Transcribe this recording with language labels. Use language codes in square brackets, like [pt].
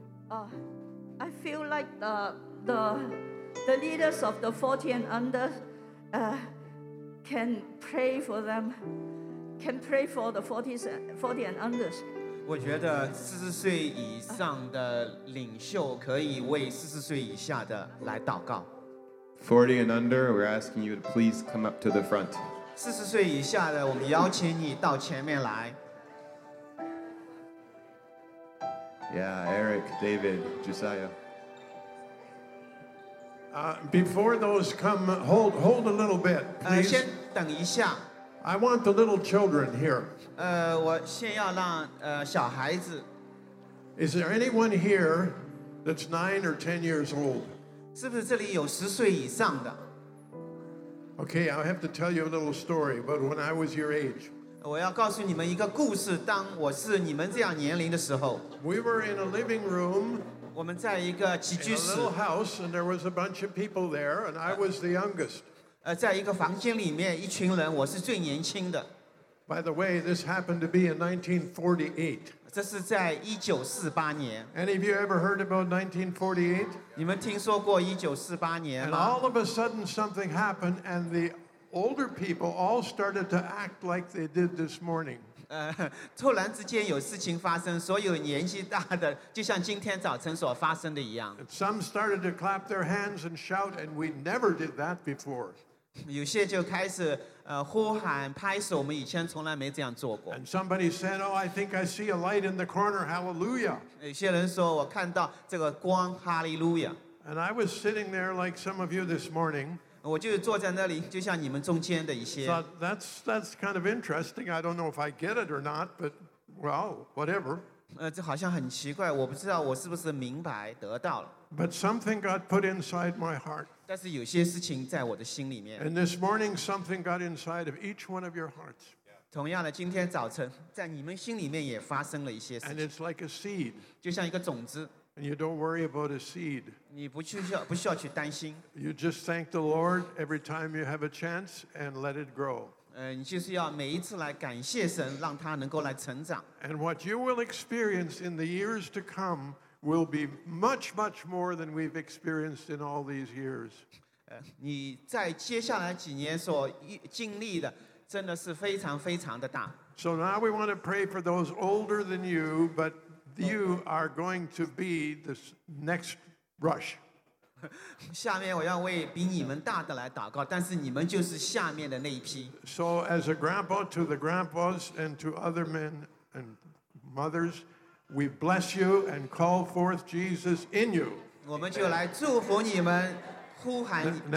[en] I feel like the leaders of the 40 and under, can pray for them. Can pray for the 40 and unders. [zh] 我觉得四十岁以上的领袖可以为四十岁以下的来祷告。 [en] 40 and under, we're asking you to please come up to the front. [zh] 四十岁以下的，我们邀请你到前面来。 [en] Yeah, Eric, David, Josiah. Before those come, hold a little bit, please. [zh] 先等一下。 [en] I want the little children here. [zh] 我先要让小孩子。 [en] Is there anyone here that's 9 or 10 years old? [zh] 是不是这里有十岁以上的 [en] ？Okay, I have to tell you a little story. But when I was your age, [zh] 我要告诉你们一个故事。当我是你们这样年龄的时候 [en] ，We were in a living room. [zh] 我们在一个起居室。 [en] In a little house, and there was a bunch of people there, and I was the youngest. [zh] 在一个房间里面，一群人，我是最年轻的。 [en] By the way, this happened to be in 1948. [zh] 这是在1948年。 [en] Any of you ever heard about 1948? [zh] 你们听说过1948年吗 [en] ？And all of a sudden, something happened, and the older people all started to act like they did this morning. [zh] 突然之间有事情发生，所有年纪大的就像今天早晨所发生的一样。 [en] And some started to clap their hands and shout, and we never did that before. [zh] 有些就开始呼喊拍手，我们以前从来没这样做过。 [en] And somebody said, "Oh, I think I see a light in the corner. Hallelujah!" [zh] 有些人说我看到这个光，哈利路亚。 [en] And I was sitting there like some of you this morning. [zh] 我就是坐在那里，就像你们中间的一些。 [en] Thought that's kind of interesting. I don't know if I get it or not, but well, whatever. [zh] 这好像很奇怪，我不知道我是不是明白得到了。 [en] But something got put inside my heart. [zh] 但是有些事情在我的心里面。 [en] And this morning, something got inside of each one of your hearts. [zh] 同样的，今天早晨在你们心里面也发生了一些事情。 [en] And it's like a seed. [zh] 就像一个种子。 [en] And you don't worry about a seed. [zh] 你不去需要，不需要去担心。 [en] You just thank the Lord every time you have a chance and let it grow. [zh] 你就是要每一次来感谢神，让它能够来成长。 [en] And what you will experience in the years to come will be much, much more than we've experienced in all these years. [zh] 你在接下来几年所经历的真的是非常非常的大。 [en] So now we want to pray for those older than you, but you are going to be this next rush. [zh] 下面我要为比你们大的来祷告，但是你们就是下面的那一批。 [en] So as a grandpa to the grandpas and to other men and mothers, we bless you and call forth Jesus in you. [zh] 我们就来祝福你们，呼喊